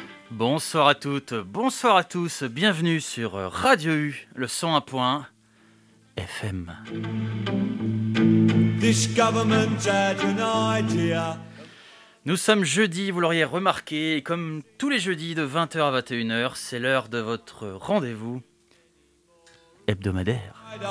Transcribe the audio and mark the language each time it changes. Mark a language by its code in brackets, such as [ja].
[fr] Bonsoir à toutes, bonsoir à tous, bienvenue sur Radio U, le son à point FM. [en] This government had an idea. [fr] Nous sommes jeudi, vous l'auriez remarqué, et comme tous les jeudis de 20h à 21h, c'est l'heure de votre rendez-vous hebdomadaire.